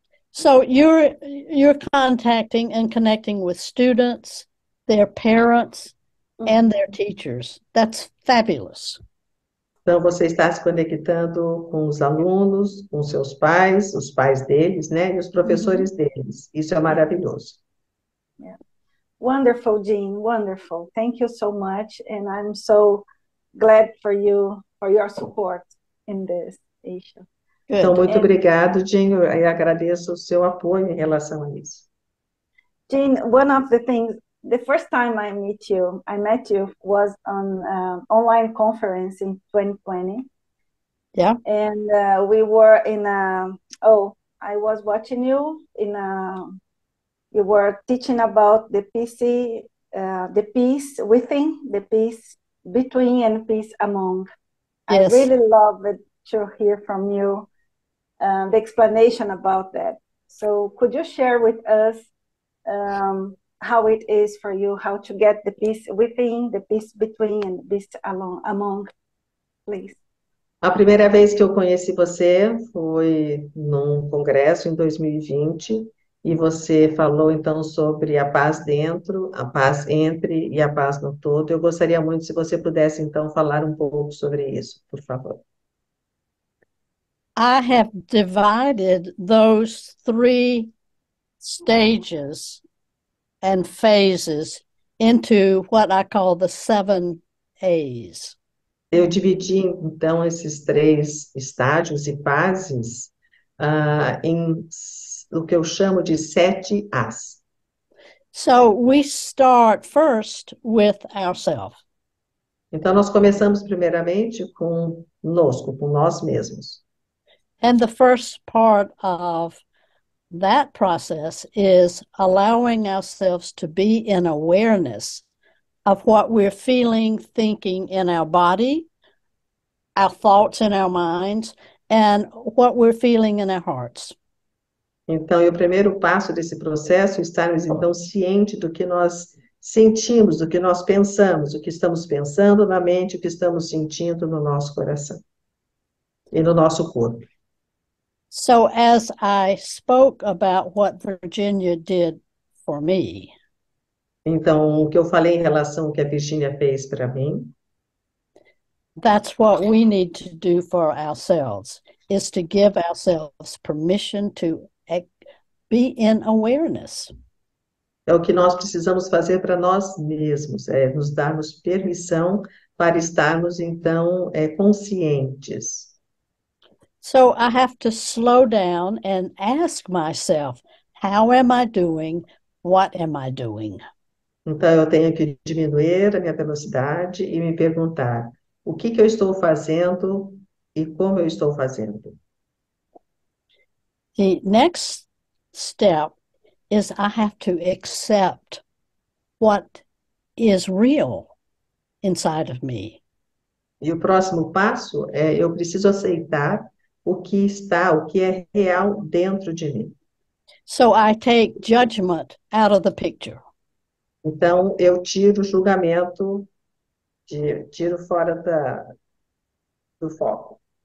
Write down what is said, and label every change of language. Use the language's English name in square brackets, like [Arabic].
[English] So you're contacting and connecting with students, their parents, and their teachers. That's fabulous. [Portuguese] Então, você está se conectando com os alunos, com seus pais, os pais deles, né, e os professores deles. Isso é maravilhoso. [English] Wonderful, Jean, wonderful. Thank you so much, and I'm so glad for you for your support in this issue. [Portuguese] Então, muito [English] And [Portuguese] obrigado, Jean, e agradeço o seu apoio em relação a isso. [English] Jean, one of the things, the first time I met you was on online conference in 2020. Yeah. And we were in a, oh, I was watching you in a, you were teaching about the PC, the peace within, the peace between, and peace among. I Yes. really love it to hear from you the explanation about that. So could you share with us how it is for you, how to get the peace within, the peace between, and peace among, please. [Portuguese] A primeira vez que eu conheci você foi num congresso em 2020, e você falou então sobre a paz dentro, a paz entre e a paz no todo. Eu gostaria muito se você pudesse então falar um pouco sobre isso, por favor. [English] I have divided those three stages and phases into what I call the seven A's. [Portuguese] Eu dividi então esses três estágios e fases em o que eu chamo de sete As. [English] So we start first with ourselves. [Portuguese] Então nós começamos primeiramente conosco, com nós mesmos. [English] And the first part of That process is allowing ourselves to be in awareness of what we're feeling, thinking in our body, our thoughts in our minds, and what we're feeling in our hearts. [Portuguese] Então, o primeiro passo desse processo é estarmos, então, cientes do que nós sentimos, do que nós pensamos, o que estamos pensando na mente, o que estamos sentindo no nosso coração e no nosso corpo. [English] So, as I spoke about what Virginia did for me, [Portuguese] então, o que eu falei em relação ao que a Virginia fez para mim, [English] that's what we need to do for ourselves, is to give ourselves permission to be in awareness. [Portuguese] É o que nós precisamos fazer para nós mesmos, é nos darmos permissão para estarmos, então, conscientes. [English] So I have to slow down and ask myself, how am I doing? What am I doing? [Portuguese] Então, eu tenho que diminuir a minha velocidade e me perguntar o que que eu estou fazendo e como eu estou fazendo. [English] The next step is I have to accept what is real inside of me. [Portuguese] E o próximo passo é eu preciso aceitar o que está, o que é real dentro de mim. [English] So I take judgment out of the picture. [Portuguese] Então, eu tiro o julgamento, tiro fora do foco.